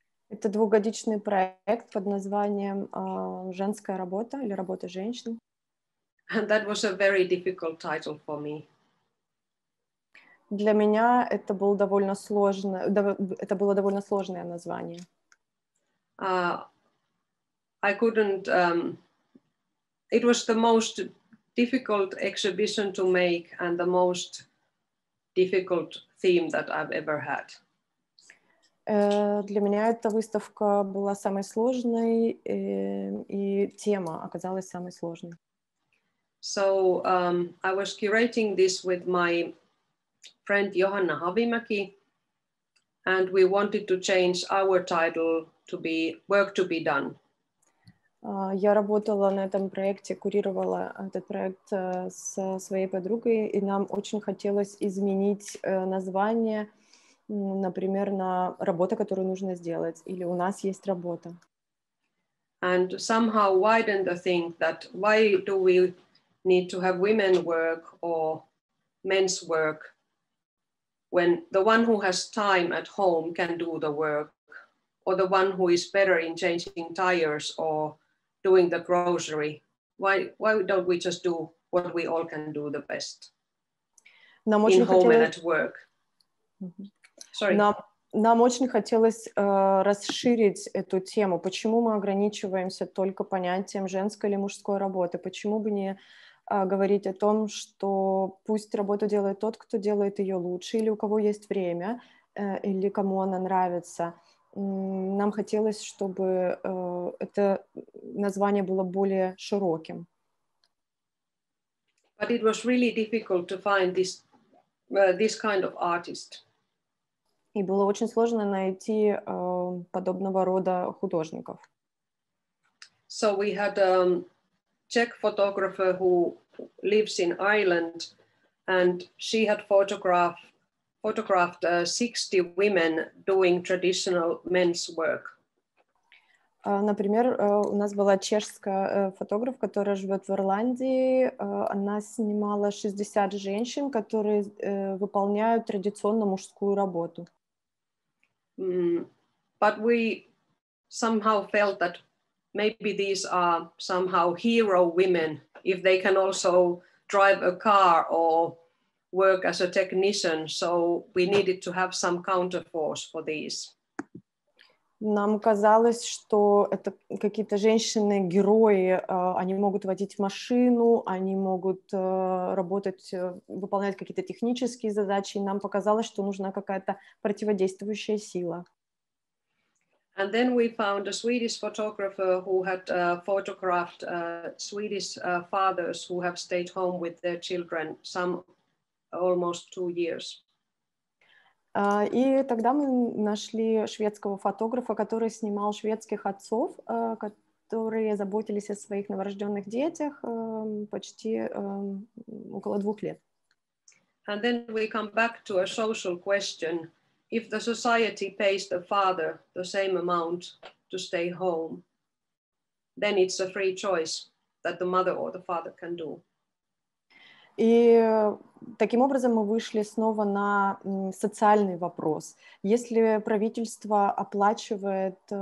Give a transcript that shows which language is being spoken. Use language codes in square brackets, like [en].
[ru] Это двухгодичный проект под названием «Женская работа» или «Работа женщин». [en] And that was a very difficult title for me. [ru] Для меня это было довольно сложное, это было довольно сложное название. [en] I couldn't, it was the most difficult exhibition to make and the most difficult theme that I've ever had. [ru] Для меня эта выставка была самой сложной, и тема оказалась самой сложной. [en] So I was curating this with my friend Johanna Havimäki, and we wanted to change our title to be Work to be Done. [ru] Я работала на этом проекте, курировала этот проект со своей подругой, и нам очень хотелось изменить название, например, на работа, которую нужно сделать, или у нас есть работа. [en] And somehow widen the thing that why do we need to have women work or men's work? When the one who has time at home can do the work, or the one who is better in changing tires or doing the grocery, why don't we just do what we all can do the best in home and at work? Sorry. [ru] Нам очень хотелось расширить эту тему. Почему мы ограничиваемся только понятием женской или мужской работы? Почему бы не говорить о том, что пусть работу делает тот, кто делает ее лучше, или у кого есть время, или кому она нравится. Нам хотелось, чтобы это название было более широким. [en] But it was really difficult to find this kind of artist. [ru] И было очень сложно найти подобного рода художников. [en] So we had Czech photographer who lives in Ireland, and she had photographed 60 women doing traditional men's work. [ru] Например, у нас была чешская фотограф, которая живет в Ирландии. Она снимала 60 женщин, которые выполняют традиционно мужскую работу. [en] But we somehow felt that maybe these are somehow hero women, if they can also drive a car or work as a technician. So we needed to have some counterforce for these. [ru] Нам казалось, что это какие-то женщины-герои. Они могут водить машину, они могут работать, выполнять какие-то технические задачи. И нам показалось, что нужна какая-то противодействующая сила. [en] And then we found a Swedish photographer who had photographed Swedish fathers who have stayed home with their children some almost 2 years. [ru] И тогда мы нашли шведского фотографа, который снимал шведских отцов, которые заботились о своих новорожденных детях почти около 2 лет. [en] And then we come back to a social question. If the society pays the father the same amount to stay home, then it's a free choice that the mother or the father can do. [ru] И таким образом мы вышли снова на социальный вопрос. Если правительство оплачивает